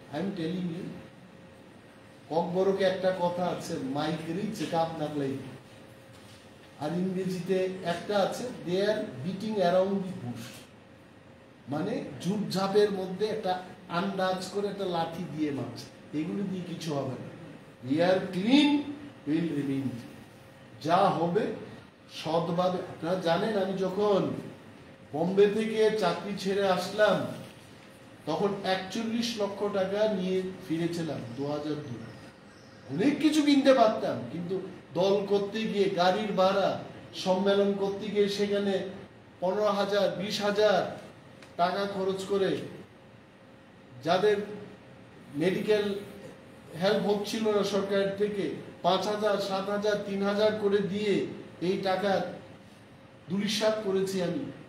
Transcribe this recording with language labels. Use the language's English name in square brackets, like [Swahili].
[English] I am telling you, [Bangla] ককবরকে একটা কথা আছে, [Kok Borok] মাইক রিচ কাপ না লাই, [Bangla] আর ইংরেজিতে একটা আছে, [English] they are beating around the bush, [Bangla] মানে ঝুপ ঝাপের মধ্যে একটা আন্দাজ করে একটা লাঠি দিয়ে মারছে, এগুলো দিয়ে কিছু হবে না। [English] We are clean, we will remain clean. [Bangla] যা হবে সৎভাবে। আপনারা জানেন আমি যখন বোম্বে থেকে চাকরি ছেড়ে আসলাম তখন 41 লক্ষ টাকা নিয়ে ফিরেছিলাম 2002। অনেক কিছু কিনতে পারতাম, কিন্তু দল করতে গিয়ে গাড়ির ভাড়া, সম্মেলন করতে গিয়ে সেখানে 15,000-20,000 টাকা খরচ করে, যাদের মেডিকেল হেল্প হচ্ছিল না সরকারের থেকে 5,000-7,000-3,000 করে দিয়ে এই টাকা দুলিশাত করেছি আমি।